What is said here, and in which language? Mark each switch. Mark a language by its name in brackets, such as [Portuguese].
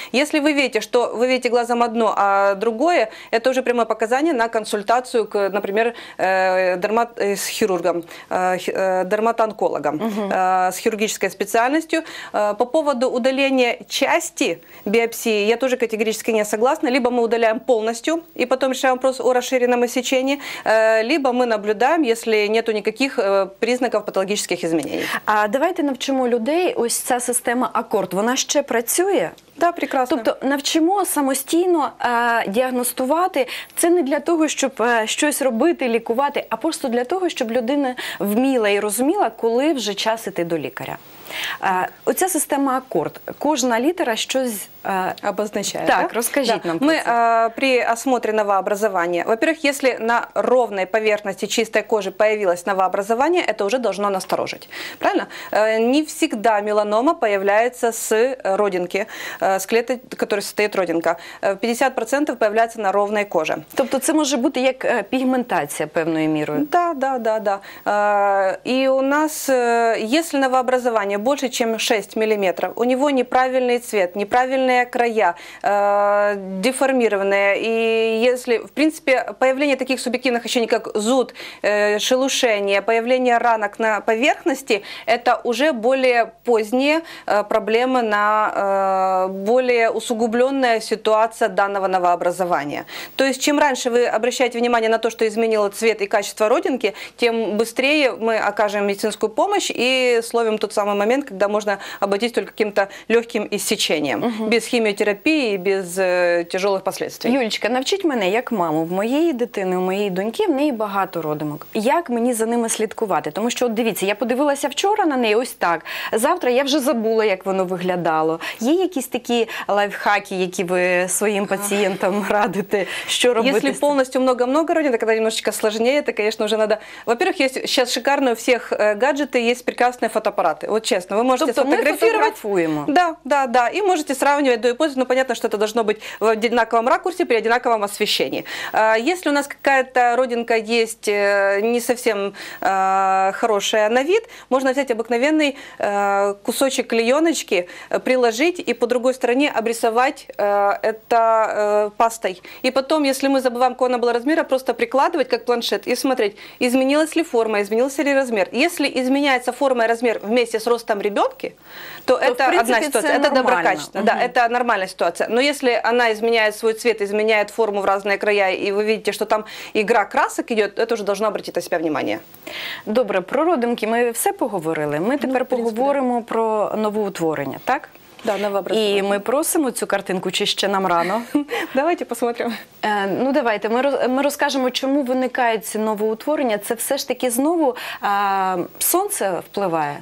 [Russian] Если вы видите, что вы видите глазом одно, а другое, это уже прямое показание на консультацию к, например, с хирургом, дерматоонкологом с хирургической специальностью. По поводу удаления части биопсии я тоже категорически не согласна. Либо мы удаляем полностью и потом решаем вопрос о расширенном иссечении, либо мы наблюдаем, если нет никаких признаков патологических изменений. А давайте научим людей, [Ukrainian] ось ця система АКОРД, вона ще працює? [Russian] Да, прекрасно. [Ukrainian] Тобто навчимо самостійно діагностувати. Це не для того, щоб щось робити, лікувати, а просто для того, щоб людина вміла і розуміла, коли вже час іти до лікаря. Оця система АКОРД, кожна літера щось обозначає. Так, розкажіть нам. [Russian] Ми при осмотрі новообразования, во-первых, если на ровной поверхности чистой кожи появилось новообразование, это уже должно насторожить. Правильно? Не всегда меланома появляется с родинки, с клетки, которая состоит родинка. 50% появляется на ровной коже. [Ukrainian] Тобто це може бути як пігментація певною мірою. [Russian] Да, да, да, да. И у нас, если новообразование больше, чем 6 мм, у него неправильный цвет, неправильные края, деформированные. И если, в принципе, появление таких субъективных ощущений, как зуд, шелушение, появление ранок на поверхности, это уже более поздние проблемы на более усугубленная ситуация данного новообразования. То есть, чем раньше вы обращаете внимание на то, что изменило цвет и качество родинки, тем быстрее мы окажем медицинскую помощь и словим тот самый момент, когда можно обойтись только каким-то легким иссечением, без химиотерапии, без тяжелых последствий. [Ukrainian] Юлечка, навчить мене, як маму, в моєї дитини, у моєї доньки, в неї багато родимок. Як мені за ними слідкувати? Тому що, от дивіться, я подивилася вчора на неї ось так, завтра я вже забула, як воно виглядало. Є якісь такі лайфхаки, які ви своїм пацієнтам радите, що робити? Якщо повністю багато родин, тоді немножечко складніше, то, звісно, вже треба... [Russian] Во-первых, [Ukrainian] є зараз шикарні у всіх гаджети, є прекрасні фотоапарати. [Russian] Честно, вы можете сфотографировать. Да, да, да. И можете сравнивать до и после. Но понятно, что это должно быть в одинаковом ракурсе при одинаковом освещении. Если у нас какая-то родинка есть не совсем хорошая на вид, можно взять обыкновенный кусочек клееночки, приложить и по другой стороне обрисовать это пастой. И потом, если мы забываем, какого она была размера, просто прикладывать как планшет и смотреть, изменилась ли форма, изменился ли размер. Если изменяется форма и размер вместе с ростом там ребенки, то это принципе, одна ситуация, это нормально. Доброкачественно, да, это нормальная ситуация. Но если она изменяет свой цвет, изменяет форму в разные края, и вы видите, что там игра красок идет, это уже должно обратить на себя внимание. [Ukrainian] Добре, про родинки ми все поговорили, ми тепер поговоримо про новоутворення, так? [Russian] Да, новообразование. [Ukrainian] І ми просимо цю картинку, чи ще нам рано? [Russian] Давайте посмотрим. [Ukrainian] Ну, давайте, ми розкажемо, чому виникають ці новоутворення. Це все ж таки знову сонце впливає?